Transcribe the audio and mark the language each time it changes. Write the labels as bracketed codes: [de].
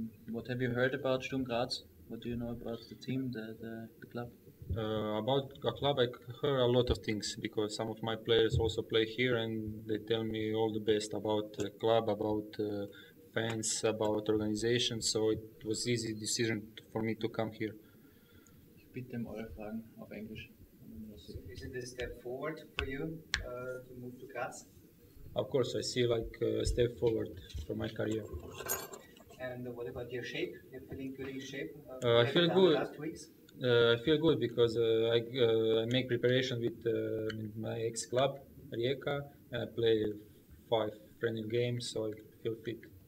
[en] what have you heard about Sturm Graz? What do you know about the team, the club? About a club, I heard a lot of things because some of my players also play here, and they tell me all the best about the club, about fans, about organization. So it was easy decision for me to come here. [de] Ich bitte um eure Fragen auf Englisch. [en] Is it a step forward for you to move to Graz? Of course, I see like a step forward for my career. And what about your shape? You're feeling good in shape? I feel good. Last weeks? I feel good because I make preparation with my ex-club, Rijeka, and I play 5 friendly games, so I feel fit.